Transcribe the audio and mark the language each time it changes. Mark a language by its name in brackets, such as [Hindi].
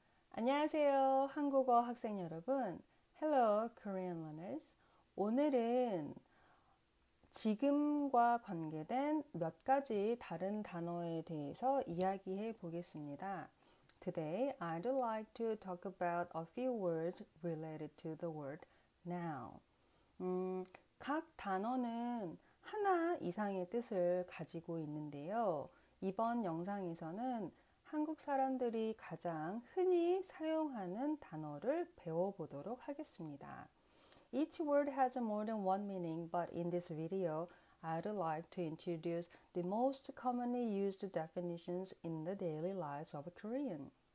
[Korean] 안녕하세요, 한국어 학생 여러분. [English] Hello, Korean learners. [Korean] 오늘은 지금과 관계된 몇 가지 다른 단어에 대해서 이야기해 보겠습니다. [English] Today, I'd like to talk about a few words related to the word now. [Korean] 각 단어는 하나 이상의 뜻을 가지고 있는데요. 이번 영상에서는 한국 사람들이 가장 흔히 사용하는 단어를 배워보도록 하겠습니다. [English] Each word has more than one meaning, but in this video, I'd like to introduce the most commonly used definitions in the daily lives of a Korean.